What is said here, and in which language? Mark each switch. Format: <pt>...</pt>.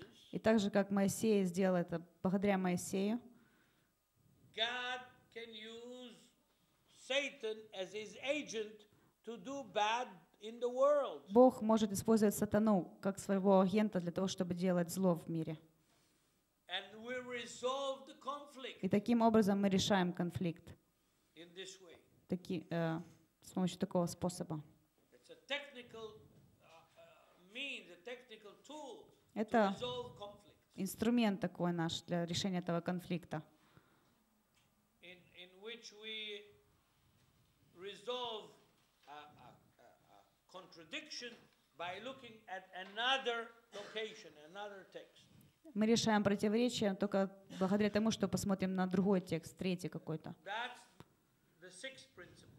<ru>И так же, как Моисей сделал это благодаря Моисею,</ru> <en>God can use Satan as his agent to do bad in the world.</en> <ru>Бог может использовать сатану как своего агента для того, чтобы делать зло в мире.</ru> <en>And we resolve the conflict.</en> <ru>И таким образом мы решаем конфликт.</ru> <en>In this way.</en> <ru>С помощью такого способа.</ru> <en>It's a technical means, a technical tool.</en> <ru>Это инструмент такой наш для решения этого конфликта.</ru> <en>In which we resolve a contradiction by looking at another location, another text.</en> <ru>Мы решаем противоречие только благодаря тому, что посмотрим на другой текст, третий какой-то.</ru> <en>That's the sixth principle.</en>